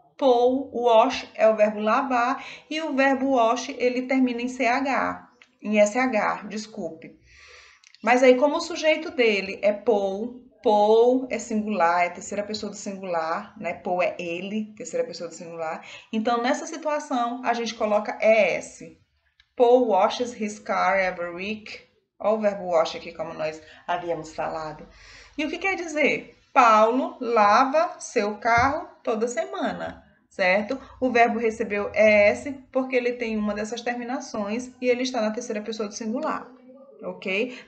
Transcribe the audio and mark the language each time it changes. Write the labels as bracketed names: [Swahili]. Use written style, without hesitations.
[Portuguese] Pull, wash é o verbo lavar e o verbo wash ele termina em CH, em SH, desculpe. Mas aí, como o sujeito dele é pull é singular, é terceira pessoa do singular, né? Pull é ele, terceira pessoa do singular. Então, nessa situação, a gente coloca ES. [English] Pull washes his car every week. [Portuguese] Olha o verbo wash aqui, como nós havíamos falado. E o que quer dizer? Paulo lava seu carro toda semana. Certo? O verbo recebeu ES porque ele tem uma dessas terminações e ele está na terceira pessoa do singular. Ok?